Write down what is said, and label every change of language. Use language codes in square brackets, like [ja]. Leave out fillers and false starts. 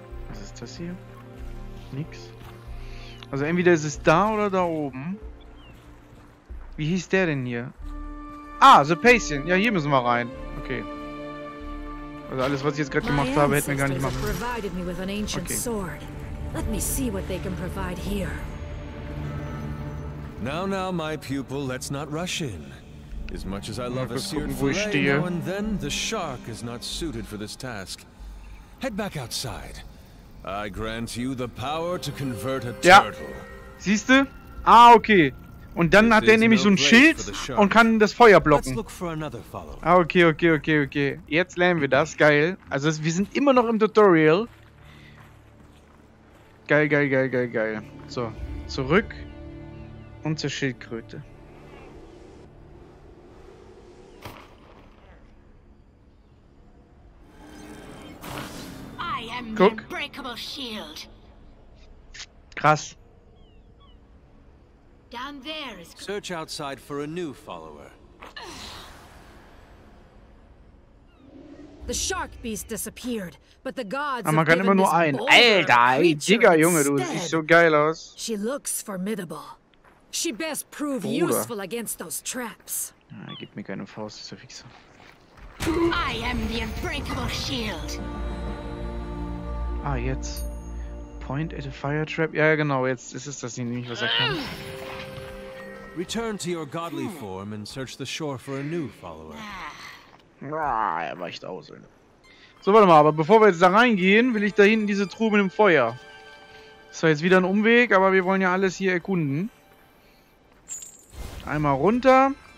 [de] Was ist das hier? Nix. Also entweder ist es da oder da oben. Wie hieß der denn hier? Ah, The Patient. Ja, hier müssen wir rein. Okay. Also alles, was ich jetzt gerade gemacht habe, hätten wir gar nicht machen können. Okay. [en] Let me see what they can provide here. Now, my pupil, let's not rush in. As much as I love a seared fillet, now and then, the shark is not suited for this task. Head back outside. I grant you the power to convert a turtle. [de] Ja. Siehst du? Ah, okay. Und dann hat er nämlich so ein Schild und kann das Feuer blocken. [en] Let's look for another follow. [de] Ah, okay. Jetzt lernen wir das. Geil. Also, wir sind immer noch im Tutorial. Geil. So, zurück und zur Schildkröte. Guck. Krass. [en] Down there is... Search outside for a new follower. The shark beast disappeared, but the gods. [de] Aber man kann immer nur einen. Alter, Digga, Junge, du siehst so geil aus. [en] She looks formidable. She best prove useful against those traps. [de] Ja, gib mir keine Faust, ist so fix. [en] I am the unbreakable shield. [de] Ah, jetzt. [en] Point at a fire trap. [de] Ja, genau, jetzt ist es das nämlich, was er kann. [en] Return to your godly form and search the shore for a new follower. [de] Ah, er weicht aus. So, warte mal, aber bevor wir jetzt da reingehen, will ich da hinten diese Truhe mit dem Feuer. Das war jetzt wieder ein Umweg, aber wir wollen ja alles hier erkunden. Einmal runter.